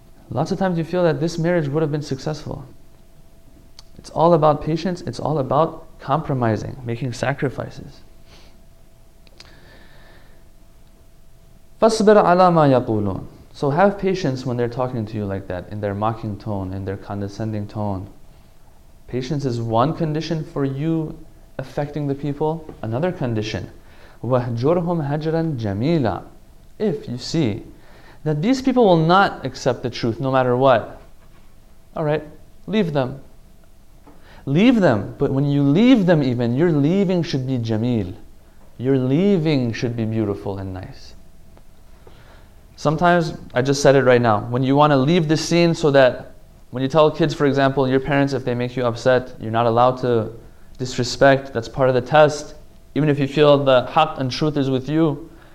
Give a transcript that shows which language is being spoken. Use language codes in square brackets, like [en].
[en] Lots of times you feel that this marriage would have been successful. It's all about patience, it's all about compromising, making sacrifices. [ar] فَاصْبِرْ عَلَى مَا يَقُولُونَ. [en] So have patience when they're talking to you like that, in their mocking tone, in their condescending tone. Patience is one condition for you affecting the people. Another condition, [ar] وَهْجُرْهُمْ هَجْرًا جَمِيلًا. [en] If you see that these people will not accept the truth no matter what, alright, leave them. Leave them, but when you leave them even, your leaving should be jameel. Your leaving should be beautiful and nice. Sometimes, I just said it right now, when you want to leave the scene so that when you tell kids, for example, your parents, if they make you upset, you're not allowed to disrespect, that's part of the test, even if you feel the haq and truth is with you.